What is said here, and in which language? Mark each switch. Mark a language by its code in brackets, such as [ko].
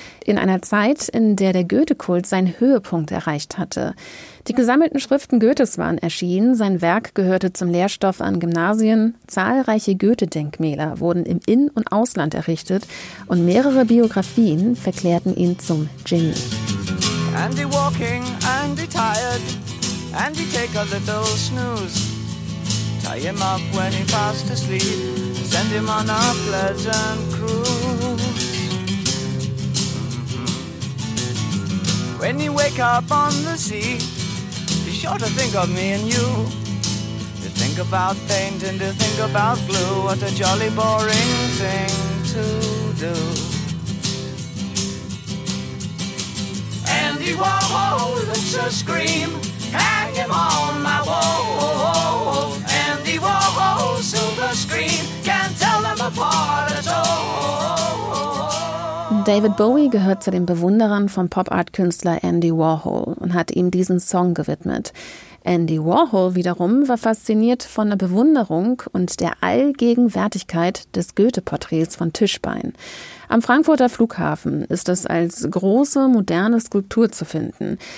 [de] In einer Zeit, in der der Goethe-Kult seinen Höhepunkt erreicht hatte. Die gesammelten Schriften Goethes waren erschienen, sein Werk gehörte zum Lehrstoff an Gymnasien, zahlreiche Goethe-Denkmäler wurden im In- und Ausland errichtet und mehrere Biografien verklärten ihn zum Genie. [en] Andy walking, Andy tired. Andy take a little snooze. Tie him up when he's fast asleep. Send him on a pleasant cruise. When he wake up on the sea, be sure to think of me and you. To think about paint and to think about glue. What a jolly boring thing to do. Andy, whoa, whoa, let's just scream. Hang him on my wall. Andy Warhol, silver screen, can't tell them apart at all. [de] David Bowie gehört zu den Bewunderern vom Pop-Art-Künstler Andy Warhol und hat ihm diesen Song gewidmet. Andy Warhol wiederum war fasziniert von der Bewunderung und der Allgegenwärtigkeit des Goethe-Porträts von Tischbein. Am Frankfurter Flughafen ist es als große, moderne Skulptur zu finden.